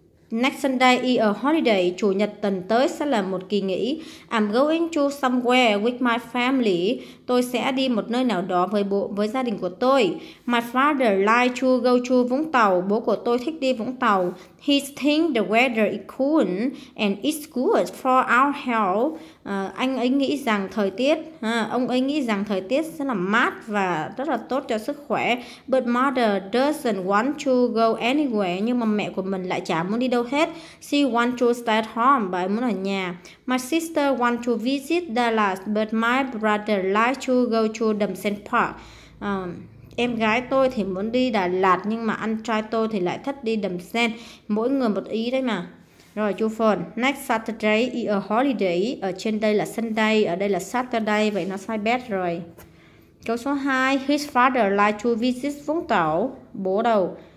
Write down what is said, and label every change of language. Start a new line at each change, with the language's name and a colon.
English: Next Sunday is a holiday,
Vietnamese: chủ nhật tuần tới sẽ là một kỳ nghỉ.
English: I'm going to somewhere with my family.
Vietnamese: Tôi sẽ đi một nơi nào đó với gia đình của tôi.
English: My father likes to go to Vũng Tàu.
Vietnamese: Bố của tôi thích đi Vũng Tàu.
English: He thinks the weather is cool and it's good for our health.
Vietnamese: Ông ấy nghĩ rằng thời tiết sẽ là mát và rất là tốt cho sức khỏe.
English: But mother doesn't want to go anywhere.
Vietnamese: Nhưng mà mẹ của mình lại chả muốn đi đâu hết.
English: She wants to stay at home.
Vietnamese: Bà ấy muốn ở nhà.
English: My sister wants to visit Dallas. But my brother likes to go to Đầm Sen Park.
Vietnamese: Em gái tôi thì muốn đi Đà Lạt nhưng mà anh trai tôi thì lại thích đi Đầm Sen. Mỗi người một ý đấy mà. Rồi chú Phần,
English: next Saturday is a holiday.
Vietnamese: Ở trên đây là Sunday, ở đây là Saturday, vậy nó sai bét rồi. Câu số 2,
English: his father like to visit Vũng Tàu.
Vietnamese: Bố đâu?